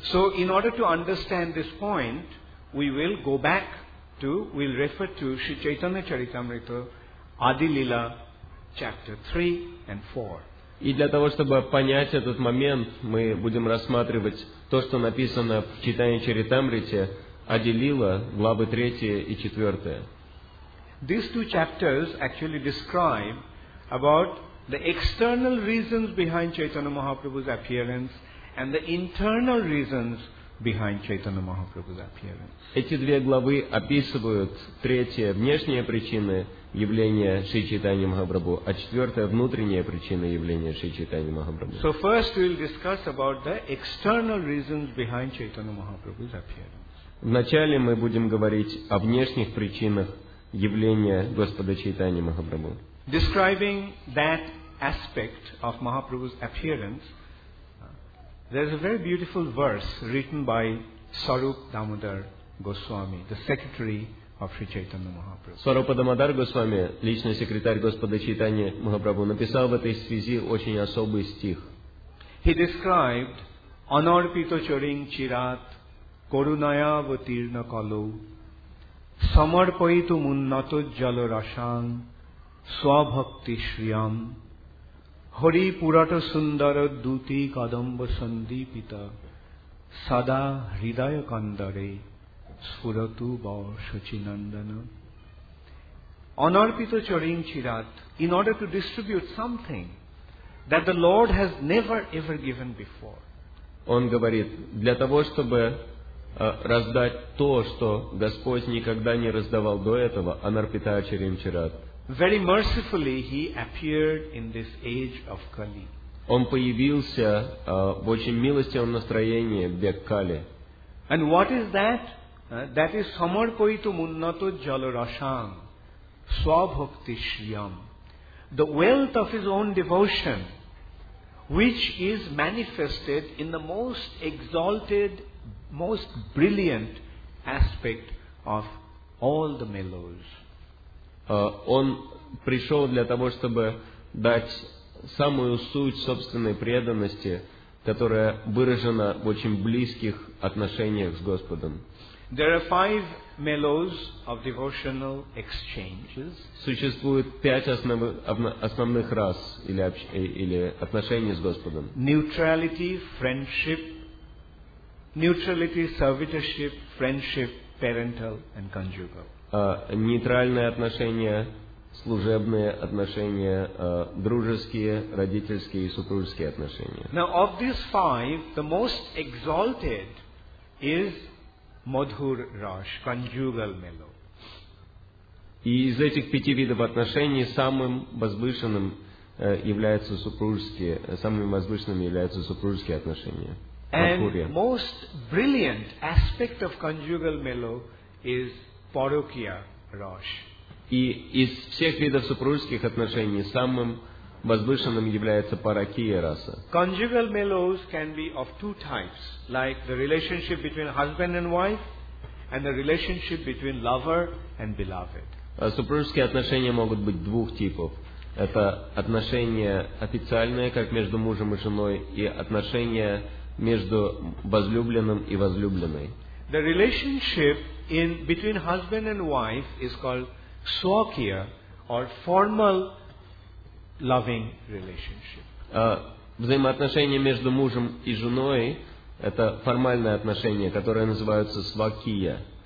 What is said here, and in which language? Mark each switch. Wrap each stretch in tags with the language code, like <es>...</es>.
<en>So, in order to understand this point, we will go back to, we'll refer to Sri Chaitanya Charitamrita, Adi Lila, chapter 3 and 4.</en> <ru>И для того, чтобы понять этот момент, мы будем рассматривать то, что написано в Чайтанья Чаритамрите, Адилила, главы 3 и 4.</ru> <en>These two chapters actually describe about the external reasons behind Chaitanya Mahaprabhu's appearance and the internal reasons behind Chaitanya Mahaprabhu's appearance.</en> <ru>Эти две главы описывают третье внешние причины явления Шри Чайтаньи Махапрабху, а четвертая внутренняя причина явления Шри Чайтаньи Махапрабху.</ru> <en>So first we will discuss about the external reasons behind Chaitanya Mahaprabhu's appearance.</en> <ru>Вначале мы будем говорить о внешних причинах явления Господа Чайтаньи Махапрабху.</ru> <en>Describing that aspect of Mahaprabhu's appearance, there is a very beautiful verse written by Swarup Damodar Goswami, the secretary of Sri Chaitanya Mahaprabhu.</en> <ru>Swarupa Damodar Goswami, личный секретарь Господа Чайтаньи Махапрабху, написал в этой связи очень особый стих.</ru> <en>He described</en> <sa>Anarpito Charing Chirat Korunaya Vatirna Kalo Samarpayitum unnato jalarasam swabhakti shriyam Hari purata sundara duti kadamba sandipita Sada hridaya kandare sphuratu bar shachinandana. Anarpita charin chirat,</sa> <en>in order to distribute something that the Lord has never ever given before.</en> <ru>Он говорит, для того, чтобы раздать то, что Господь никогда не раздавал до этого,</ru> <sa>анарпита чарим чират.</sa> <en>Very mercifully he appeared in this age of Kali.</en> <ru>Он появился в очень милостивом настроении бег Кали.</ru> <en>And what is that? That is</en> <sa>samarpayitu munnato jalarasam swabhakti shriyam.</sa> <en>The wealth of his own devotion, which is manifested in the most exalted, most brilliant aspect of all the mellows.</en> <ru>Он пришел для того, чтобы дать самую суть собственной преданности, которая выражена в очень близких отношениях с Господом.</ru> <en>There are five mellows of devotional exchanges.</en> <ru>Существует пять основных рас или отношений с Господом.</ru> <en>Neutrality, friendship, neutrality, servitorship, friendship, parental and conjugal.</en> <ru>Нейтральные отношения, служебные отношения, дружеские, родительские и супружеские отношения.</ru> <en>Now of these five, the most exalted is Madhur Rash, conjugal mellow.</en> <ru>И из этих пяти видов отношений самым возвышенным являются супружеские, самыми возвышенными являются супружеские отношения.</ru> <en>And most brilliant aspect of conjugal mellow is Parokya Rash.</en> <ru>И из всех видов супружеских отношений самым возвышенным является паракия раса.</ru> <en>Conjugal mellows can be of two types, like the relationship between husband and wife, and the relationship between lover and beloved.</en> <ru>Супружеские отношения могут быть двух типов. Это отношения официальные, как между мужем и женой, и отношения между возлюбленным и возлюбленной.</ru> <en>The relationship in between husband and wife is called swakya or formal loving relationship.</en> <ru>Взаимоотношения между мужем и женой — это формальное отношение, которое называется свакия.</ru>